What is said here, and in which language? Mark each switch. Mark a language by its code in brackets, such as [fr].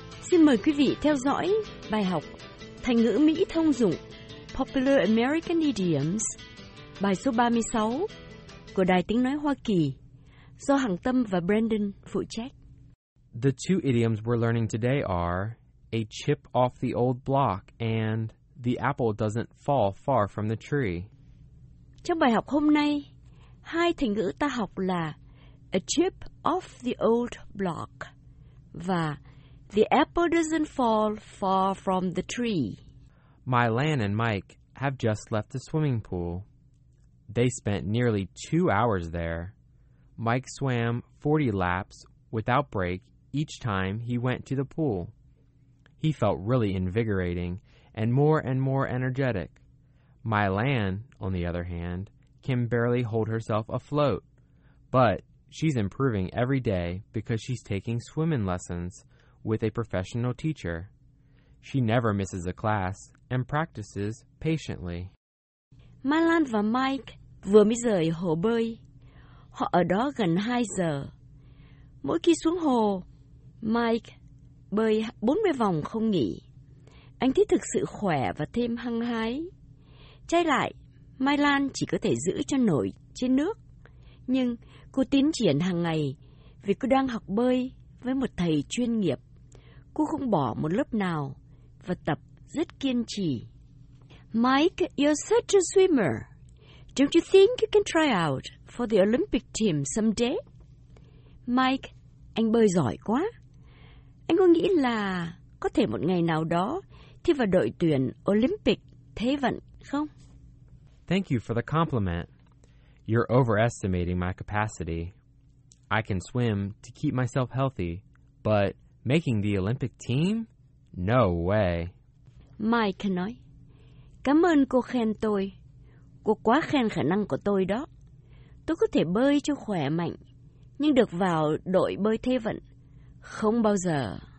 [vi] Xin mời quý vị theo dõi bài học Thành ngữ Mỹ thông dụng Popular American Idioms, bài số 36 của Đài Tiếng Nói Hoa Kỳ, do Hằng Tâm và Brandon phụ trách. [en] The two idioms we're learning today are a chip off the old block and the apple doesn't fall far from the tree. [vi] Trong bài học hôm nay, hai thành ngữ ta học là [en] a chip off the old block [vi] và [en] the apple doesn't fall far from the tree. Mylan and Mike have just left the swimming pool. They spent nearly 2 hours there. Mike swam 40 laps without break each time he went to the pool. He felt really invigorating and more energetic. Mylan, on the other hand, can barely hold herself afloat, but she's improving every day because she's taking swimming lessons with a professional teacher. She never misses a class and practices patiently. [vi] Mylan và Mike vừa mới rời hồ bơi. Họ ở đó gần 2 giờ. Mỗi khi xuống hồ, Mike bơi 40 vòng không nghỉ. Anh thấy thực sự khỏe và thêm hăng hái. Trái lại, Mylan chỉ có thể giữ cho nổi trên nước. Nhưng cô tiến triển hàng ngày vì cô đang học bơi với một thầy chuyên nghiệp. Cô không bỏ một lớp nào và tập rất kiên trì. [en] Mike, you're such a swimmer. Don't you think you can try out for the Olympic team someday? [vi] Mike, anh bơi giỏi quá. Anh có nghĩ là có thể một ngày nào đó thi vào đội tuyển Olympic thế vận không? [en] Thank you for the compliment. You're overestimating my capacity. I can swim to keep myself healthy, but making the Olympic team? No way. [vi] Mike nói, cảm ơn cô khen tôi. Cô quá khen khả năng của tôi đó. Tôi có thể bơi cho khỏe mạnh, nhưng được vào đội bơi thế vận, không bao giờ.